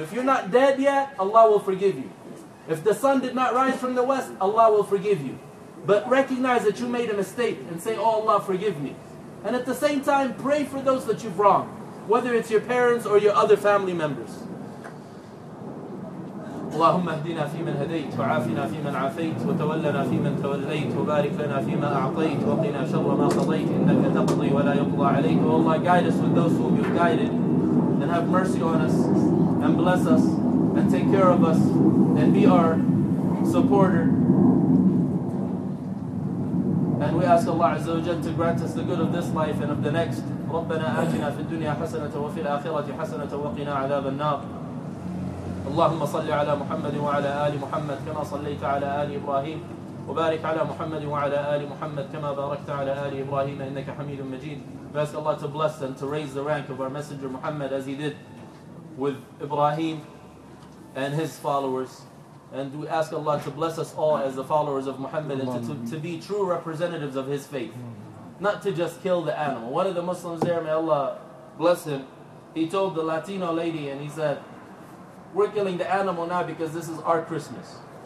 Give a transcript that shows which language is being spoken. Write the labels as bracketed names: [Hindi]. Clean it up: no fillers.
[English] If you're not dead yet, Allah will forgive you. If the sun did not rise from the west, Allah will forgive you. But recognize that you made a mistake and say, oh Allah, forgive me. And at the same time, pray for those that you've wronged, whether it's your parents or your other family members. [Arabic] اللهم اهدنا فيمن هديت وعافنا فيمن عافيت وتولنا فيمن توليت وبارك لنا فيما أعطيت وقنا شر ما قضيت إنك تقضي ولا يقضى عليك. [English] Oh Allah, guide us with those whom you guided, and have mercy on us, and bless us, and take care of us, and be our supporter. And we ask Allah Azza wa Jalla to grant us the good of this life and of the next. [Arabic] ربنا آتنا في الدنيا حسنة وفي الآخرة حسنة وقنا عذاب النار. اللهم صل على محمد وعلى آل محمد كما صليت على آل إبراهيم، وبارك على محمد وعلى آل محمد كما باركت على آل إبراهيم إنك حميد مجيد. [English] We ask Allah to bless and to raise the rank of our messenger Muhammad as he did with Ibrahim and his followers. And we ask Allah to bless us all as the followers of Muhammad and to be true representatives of his faith. Not to just kill the animal. One of the Muslims there, may Allah bless him, he told the Latino lady and he said, we're killing the animal now because this is our Christmas.